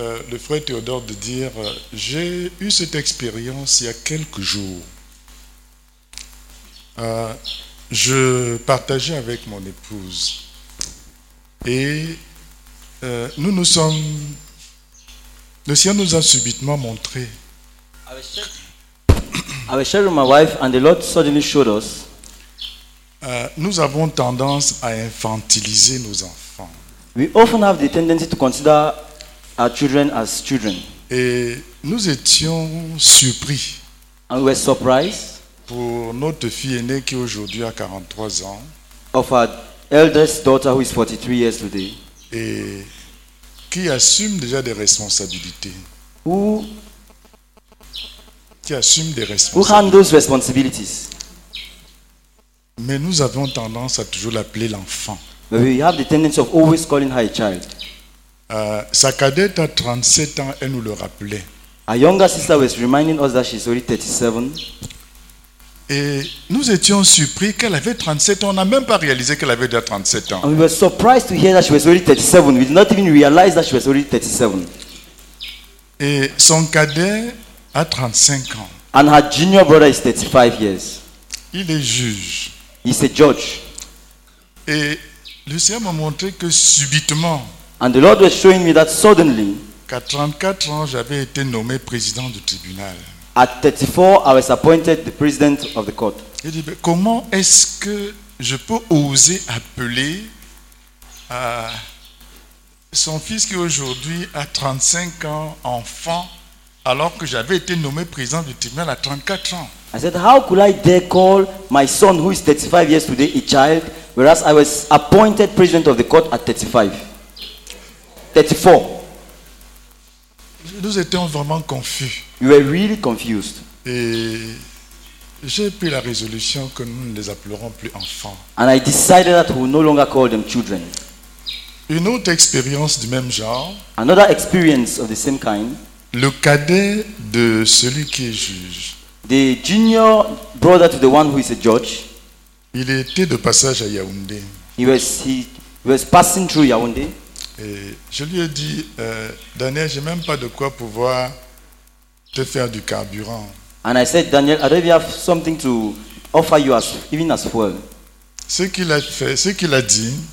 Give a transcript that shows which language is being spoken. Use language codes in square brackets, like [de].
[fr] Le frère Théodore de dire, j'ai eu cette expérience il y a quelques jours. Je partageais avec mon épouse et le Seigneur nous a subitement montré. [en] I was sharing with my wife and the Lord suddenly showed us. [fr] Nous avons tendance à infantiliser nos enfants. [en] We often have the tendency to consider our children as children. [fr] Et nous étions surpris. [en] And we were surprised. [fr] Pour notre fille aînée qui aujourd'hui a 43 ans. [en] Of our eldest daughter who is 43 years today. [fr] Et qui assume déjà des responsabilités. [en] Who handles responsibilities. [fr] Mais nous avons tendance à toujours l'appeler l'enfant. [en] But we have the tendency of always calling her a child. [fr] Sa cadette a 37 ans, elle nous le rappelait. [en] A younger sister was reminding us that she's already 37. [fr] Et nous étions surpris qu'elle avait 37 ans. On n'a même pas réalisé qu'elle avait déjà 37 ans. [en] And we were surprised to hear that she was already 37. We did not even realize that she was already 37. [fr] Et son cadet a 35 ans. [en] And her junior brother is 35 years. [fr] Il est juge. [en] He's a judge. [fr] Et le Seigneur m'a montré que subitement. [en] And the Lord was showing me that suddenly, [fr] qu'à 34 ans, j'avais été nommé président du tribunal. [en] At 34, I was appointed the president of the court. [fr] Il dit, comment est-ce que je peux oser appeler Son fils qui aujourd'hui a 35 ans, enfant, alors que j'avais été nommé président du tribunal à 34 ans. [en] I said, how could I dare call my son who is 35 years today a child, whereas I was appointed president of the court at 34. [fr] Nous étions vraiment confus. [en] We were really confused. [fr] Et j'ai pris la résolution que nous ne les appellerons plus enfants. [en] And I decided that we will no longer call them children. [fr] Une autre expérience du même genre. [en] Another experience of the same kind. [fr] Le cadet de celui qui est juge. [en] The junior brother to the one who is a judge. [fr] Il était de passage à Yaoundé. [en] He was passing through Yaoundé. [fr] Et je lui ai dit, Daniel, j'ai même pas de quoi pouvoir te faire du carburant. [en] And I said, Daniel, I don't even have something to offer you as even as fuel. [fr] Ce qu'il a fait, ce qu'il a dit.